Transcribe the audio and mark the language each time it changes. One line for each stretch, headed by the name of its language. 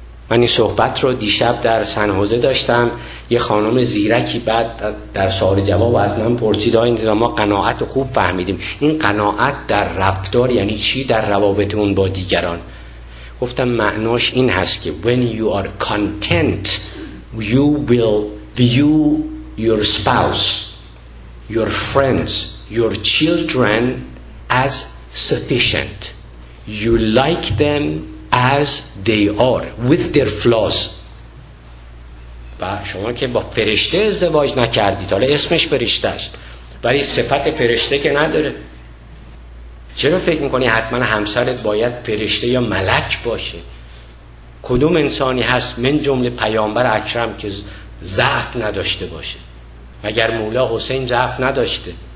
Persian: من این صحبت رو دیشب در سنحوزه داشتم، یه خانم زیرکی بعد در سوال جواب از من پرسید: ما قناعت رو خوب فهمیدیم، این قناعت در رفتار یعنی چی در روابطمون با دیگران؟ گفتم معناش این هست که
English: when you are content you will view your spouse, your friends, your children as sufficient. You like them as they are with their flaws.
Persian: و شما که با فرشته ازدواج نکردید، حالا اسمش فرشته است ولی صفت فرشته که نداره، چرا فکر میکنی حتما همسرت باید فرشته یا ملک باشه؟ کدوم انسانی هست من جمله پیامبر اکرم که ضعف نداشته باشه؟ مگر مولا حسین ضعف نداشته؟